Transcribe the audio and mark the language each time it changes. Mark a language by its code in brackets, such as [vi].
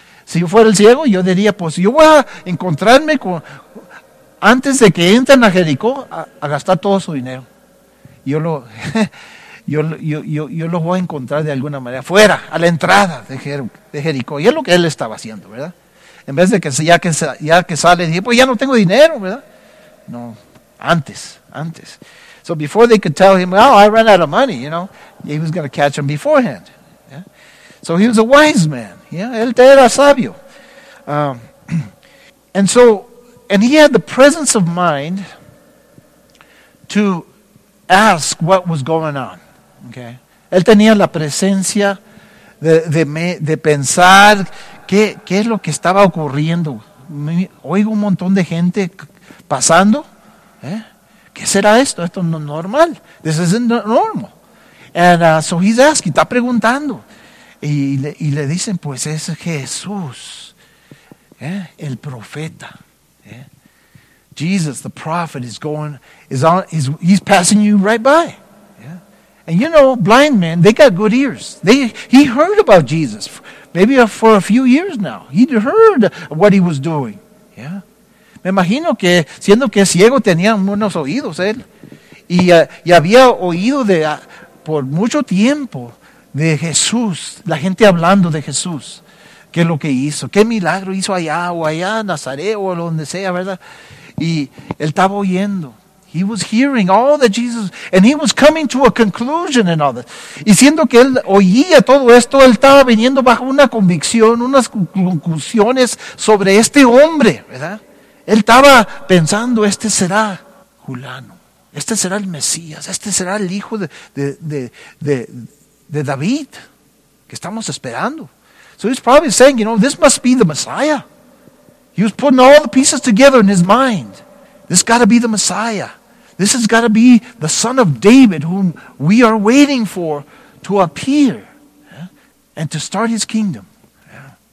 [es] Si yo fuera el ciego, yo diría, pues, yo voy a encontrarme con, antes de que entren a Jericó, a gastar todo su dinero. Yo lo voy a encontrar de alguna manera, fuera, a la entrada de Jericó. Y es lo que él estaba haciendo, ¿verdad? En vez de que ya que sale, dije, pues ya no tengo dinero, ¿verdad? No, antes. [en] So before they could tell him, oh, I ran out of money, you know. He was going to catch him beforehand. Yeah? So he was a wise man. Yeah, [es] él era sabio. [en] And he had the presence of mind to ask what was going on. Okay. [es] Él tenía la presencia de pensar qué es lo que estaba ocurriendo. Oigo un montón de gente pasando. ¿Eh? ¿Qué será esto? Esto no es normal. [en] This isn't normal. And so he's asking, [es] está preguntando. Y le dicen, pues es Jesús, ¿eh? El profeta. ¿Eh? [en] Jesus, the prophet, he's passing you right by. And you know, blind men, they got good ears. He heard about Jesus maybe for a few years now. He'd heard what he was doing. Yeah. [es] Me imagino que siendo que ciego tenía unos oídos él. Y había oído por mucho tiempo de Jesús, la gente hablando de Jesús. ¿Qué es lo que hizo? ¿Qué milagro hizo allá, Nazaret o donde sea, verdad? Y él estaba oyendo. [en] He was hearing all that Jesus, and he was coming to a conclusion and all that. [es] Y siendo que él oía todo esto, él estaba viniendo bajo una convicción, unas conclusiones sobre este hombre, ¿verdad? Él estaba pensando, este será Julano, este será el Mesías, este será el hijo de David, que estamos esperando. [en] So he's probably saying, you know, this must be the Messiah. He was putting all the pieces together in his mind. This has got to be the Messiah. This has got to be the Son of David whom we are waiting for to appear, yeah? And to start his kingdom. Yeah.